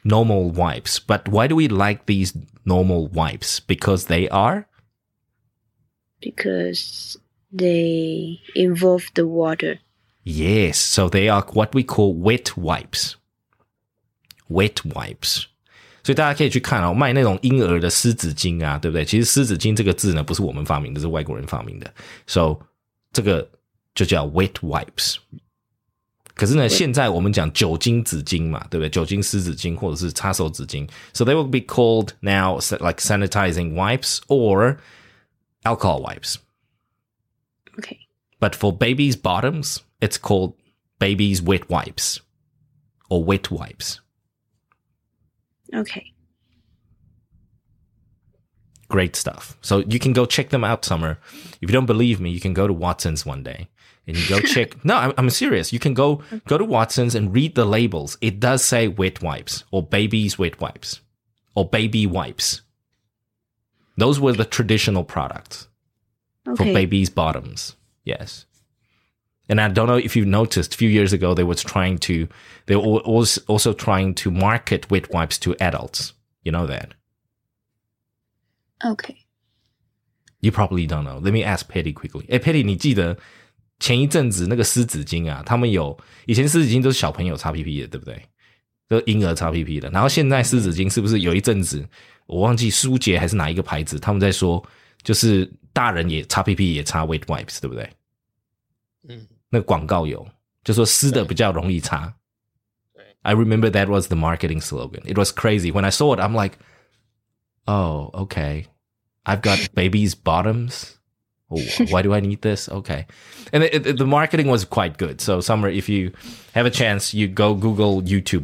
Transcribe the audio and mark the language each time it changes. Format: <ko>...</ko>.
<en>Normal wipes. But why do we like these normal wipes? Because they are? Because they involve the water. Yes. So they are what we call wet wipes. Wet wipes.</en> <zh>所以大家可以去看哦，卖那种婴儿的湿纸巾啊，对不对？其实湿纸巾这个字呢，不是我们发明的，是外国人发明的。 So 这个就叫 wet wipes。可是呢，现在我们讲酒精纸巾嘛，对不对？酒精湿纸巾或者是擦手纸巾 ，</zh> <en>so they will be called now like sanitizing wipes or alcohol wipes. Okay. But for babies' bottoms, it's called babies' wet wipes or wet wipes. Okay. Great stuff. So you can go check them out, Summer. If you don't believe me, you can go to Watson's one day. And go check. No, I'm serious. You can go to Watson's and read the labels. It does say wet wipes or baby's wet wipes or baby wipes. Those were the traditional products for baby's bottoms. Yes. And I don't know if you noticed, a few years ago, they were also trying to market wet wipes to adults. You know that? Okay. You probably don't know. Let me ask Patty quickly.</en> <zh>Hey, Patty, 你记得前一阵子那个湿纸巾啊，他们有以前湿纸巾都是小朋友擦屁屁的，对不对？都婴儿擦屁屁的。然后现在湿纸巾是不是有一阵子，我忘记舒洁还是哪一个牌子，他们在说就是大人也擦屁屁也擦 wet wipes， 对不对？嗯，那个广告有，就说湿的比较容易擦。对</zh> <en>，I remember that was the marketing slogan. It was crazy when I saw it. I'm like, oh, okay, I've got baby's bottoms. Oh, why do I need this? Okay. And the marketing was quite good. So, Summer, if you have a chance, you go Google YouTube.</en>